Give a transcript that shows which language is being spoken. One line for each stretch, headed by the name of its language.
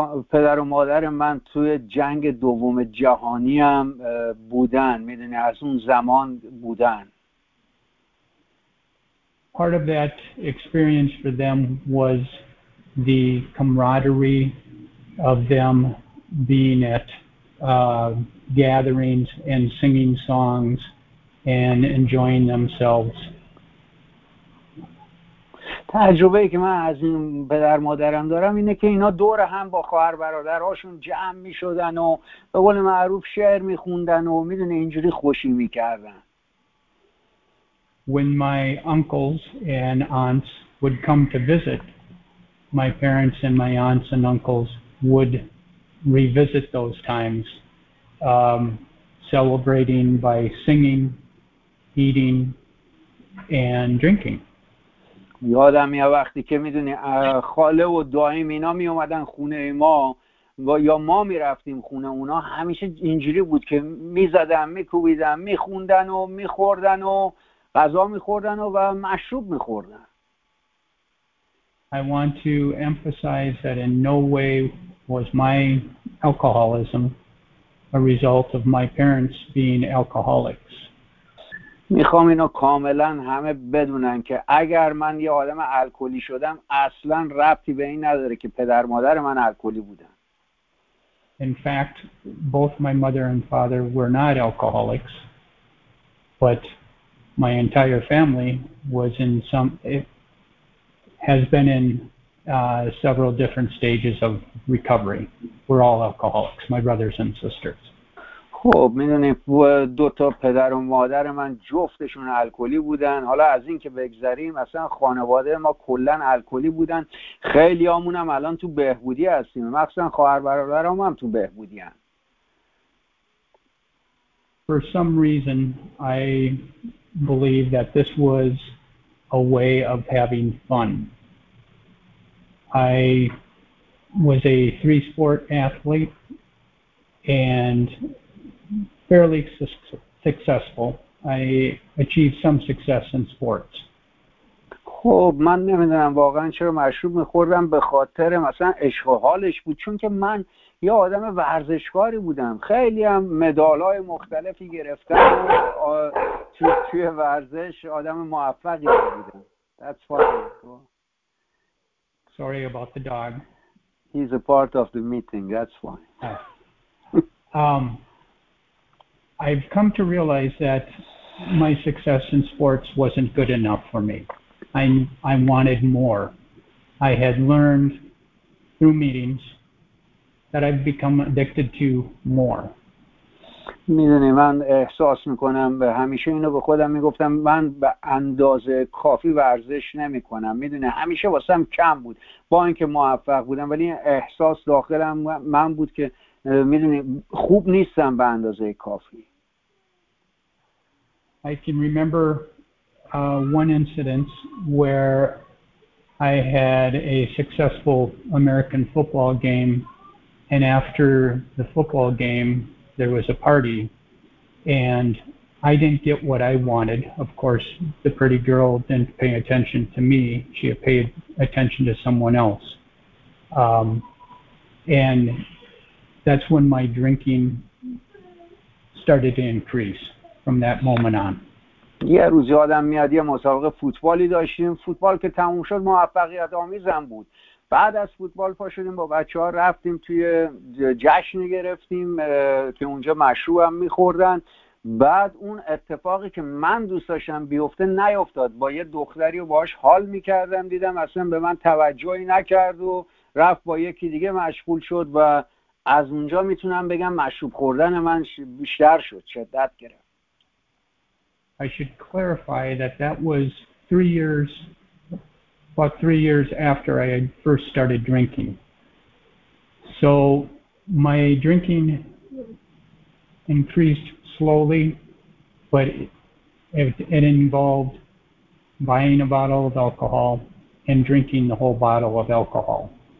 Persian: پدر و مادر من توی جنگ دوم جهانی هم بودن، میدونی از اون زمان بودن.
English: Part of that experience for them was the camaraderie of them being at gatherings and singing songs and enjoying themselves.
Persian: تجربه‌ای که من از این پدر مادرم دارم اینه که اینا دور هم با خواهر برادرهاشون جمع می‌شدن و به قول معروف شعر می‌خوندن و می‌دونه اینجوری خوشی می‌کردن.
English: When my uncles and aunts would come to visit, my parents and my aunts and uncles would revisit those times, celebrating by singing, eating, and drinking.
Persian: یادم میاد وقتی که میدونی خاله و دایی اینا می اومدن خونه ما و یا ما میرفتیم خونه اونا همیشه اینجوری بود که میزدن میکوبیدن میخوندن و میخوردن و غذا میخوردن و مشروب میخوردن.
English: I want to emphasize that in no way was my alcoholism a result of my parents being alcoholics.
Persian: میخوام اینو کاملا همه بدونن که اگر من یه آدم الکلی شدم اصلا ربطی به این نداره که پدر مادر من الکلی بودن.
English: In fact, both my mother and father were not alcoholics, but my entire family was in some has been in several different stages of recovery. We're all alcoholics, my brothers and sisters.
Persian: خب میدونیم دو تا پدر و مادر من جفتشون الکلی بودن. حالا از این که بگذریم اصلا خانواده ما کلن الکلی بودن. خیلی همونم الان تو بهبودی هستیم. مخصوصا خواهر برادر هم تو بهبودی هستیم.
English: For some reason I believe that this was a way of having fun. I was a three sport athlete and fairly successful. I achieved some success in sports.
Persian: خب من نمیدونم واقعا چرا مشروب میخوردم، به خاطر مثلا عشق و حالش بود، چون که من یه آدم ورزشکاری بودم، خیلی هم مدالای مختلفی گرفتم توی ورزش، آدم موفقی بودم.
English: That's why. Sorry about the dog. He's a part of the meeting. That's why. I've come to realize that my success in sports wasn't good enough for me. I wanted more. I had learned through meetings that I've become addicted to more.
Persian: میدونی من احساس میکنم و همیشه اینو به خودم میگفتم، من به اندازه کافی ورزش نمیکنم. میدونی همیشه واسم کم بود با اینکه موفق بودم، ولی احساس داخلم من بود که میدونی خوب نیستم به اندازه کافی.
English: I can remember one incident where I had a successful American football game, and after the football game there was a party, and I didn't get what I wanted. Of course, the pretty girl didn't pay attention to me. She had paid attention to someone else. And that's when my drinking started to increase from that moment on.
Persian: یه روزی آدم میاد، یه مسابقه فوتبالی داشتیم، فوتبال که تموم شد موفقیت آمیزم بود. بعد از فوتبال پاشدیم با بچه ها رفتیم توی جشن گرفتیم که اونجا مشروب هم میخوردن. بعد اون اتفاقی که من دوست داشتم بیفته نیفتاد، با یه دختری و باش حال میکردم، دیدم اصلا به من توجهی نکرد و رفت با یکی دیگه مشغول شد، و از اونجا میتونم بگم مشروب خوردن من بیشتر شد، شدت گرفت.
English: I should clarify that was 3 years, about 3 years after I had first started drinking. So my drinking increased slowly, but it involved buying a bottle of alcohol and drinking the whole bottle of alcohol.